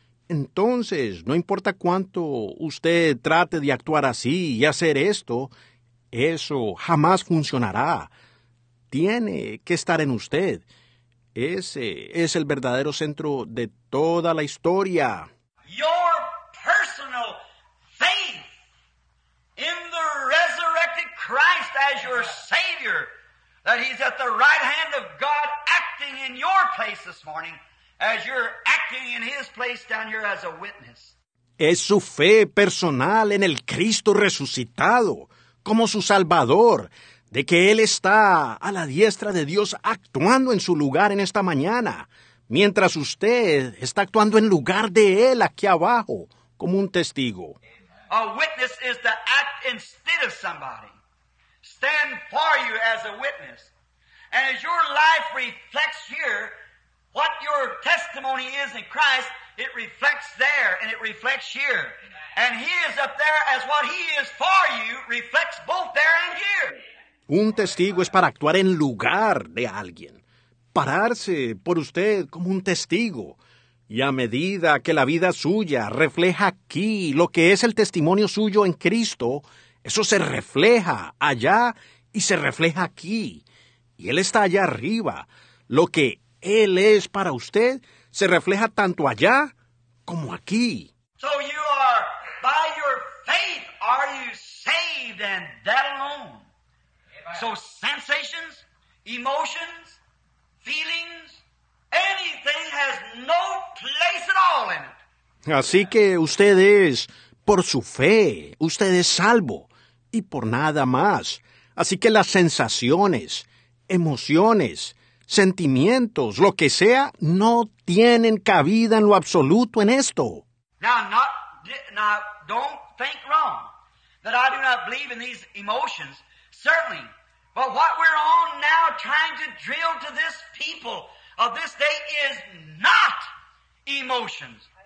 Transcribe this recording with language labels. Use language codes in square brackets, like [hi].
[es] Entonces, no importa cuánto usted trate de actuar así y hacer esto, eso jamás funcionará. Tiene que estar en usted. Ese es el verdadero centro de toda la historia. [en] Your personal faith in the resurrected Christ as your Savior, that He's at the right hand of God acting in your place this morning, as you're acting in His place down here as a witness. [es] Es su fe personal en el Cristo resucitado como su Salvador, de que Él está a la diestra de Dios actuando en su lugar en esta mañana, mientras usted está actuando en lugar de Él aquí abajo, como un testigo. [en] A witness is to act instead of somebody. Stand for you as a witness. And as your life reflects here, what your testimony is in Christ, it reflects there and it reflects here. And He is up there as what He is for you, reflects both there and here. [es] Un testigo es para actuar en lugar de alguien. Pararse por usted como un testigo. Y a medida que la vida suya refleja aquí lo que es el testimonio suyo en Cristo, eso se refleja allá y se refleja aquí. Y Él está allá arriba. Lo que Él es para usted se refleja tanto allá como aquí. [en] So you are, by your faith, are you saved and that alone? So sensations, emotions, feelings, anything has no place at all in it. [es] Así que usted es por su fe, usted es salvo y por nada más. Así que las sensaciones, emociones, sentimientos, lo que sea, no tienen cabida en lo absoluto en esto. [en] Now, not Now, don't think wrong that I do not believe in these emotions, certainly. But what we're on now trying to drill to this people of this day is not emotions.